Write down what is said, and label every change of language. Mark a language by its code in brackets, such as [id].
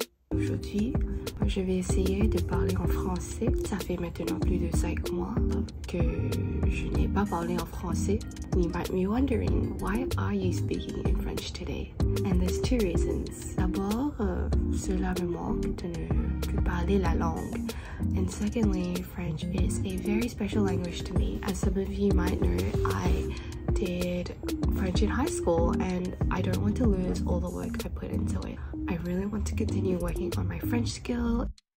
[fr] Aujourd'hui, je vais essayer de parler en français. Ça fait maintenant plus de 5 mois que je n'ai pas parlé en français. [en] You might be wondering, why are you speaking in French today? And there's two reasons. [fr] D'abord, cela me manque de ne plus parler la langue. [en] And secondly, French is a very special language to me. As some of you might know, I did French in high school and I don't want to lose all the work I put into it. I really want to continue working on my French skill.